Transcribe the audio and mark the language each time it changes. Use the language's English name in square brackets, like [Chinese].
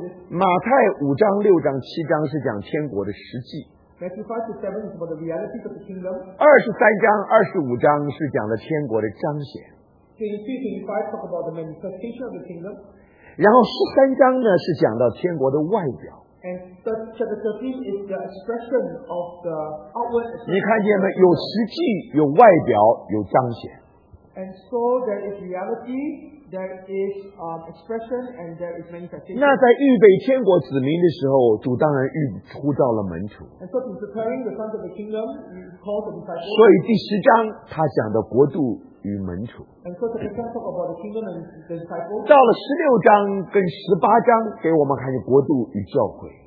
[Chinese] 马太五章六章七章是讲天国的实际二十三章二十五章是讲了天国的彰显然后十三章呢是讲到天国的外表 [English] And chapter 13 is the expression of the outward [Chinese] 你看见没有实际有外表有彰显 [English] And so there is reality there is expression and there is manifestation [Chinese] 那在预备天国子民的时候主当然呼召了门徒 [English] And so in preparing the sons of the kingdom he called the disciples [Chinese] 所以第十章他讲的国度与门徒到了十六章跟十八章给我们看见国度与教会